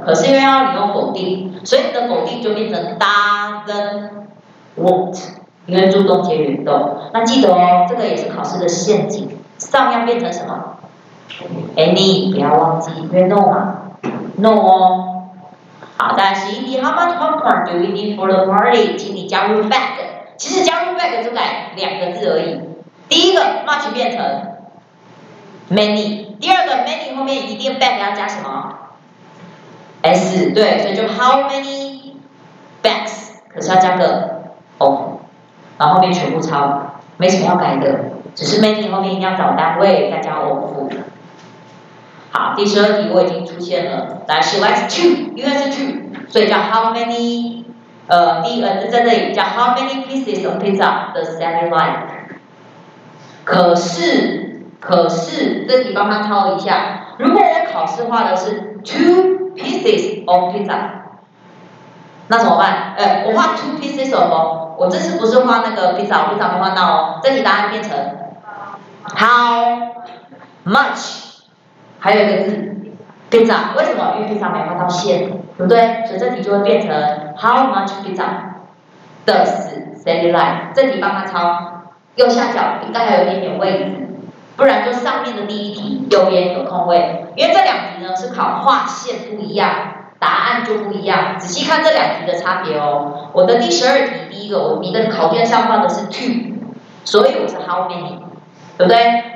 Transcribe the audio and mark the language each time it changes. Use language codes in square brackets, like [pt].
[zh] 可是因为要你用否定，所以你的否定就变成 doesn't want， 因为助动接原动。那记得哦，这个也是考试的陷阱。上要变成什么 ？Any， 不要忘记，因为 no 嘛 ，no 哦。 [en] 好， [zh] 再来十一题 [en] ，How much popcorn do we need for the party？ [zh] 请你加入 bag， 其实加入 bag 就改两个字而已。第一个 much 变成。Many， 第二个 many 后面一定 bag 要加什么 ？S， 对，所以就 [en] how many bags， [zh] 可是要加个 o， 然后后面全部抄，没什么要改的，只是 many 后面一定要找单位再加 of。好，第十二题我已经出现了，来 she likes two， 因为是 two， 所以叫 how many， 第一个在这里叫 [en] how many pieces of pizza does Sally like？ [zh] 可是这题帮他抄一下，如果我考试画的是 two pieces of pizza， 那怎么办？我画 two pieces of， 我这次不是画那个 pizza， 我 pizza 没画到哦。这题答案变成 how much， 还有一个字 pizza， 为什么？因为 pizza 没画到线，对不对？所以这题就会变成 [en] how much pizza does Sally like？ [zh] 这题帮他抄，右下角应该还有一点点位置。不然就上面的第一题有边有空位，因为这两题呢是考画线不一样，答案就不一样。仔细看这两题的差别哦。我的第十二题第一个，你的考卷上放的是 two， 所以我是 how many， 对不对？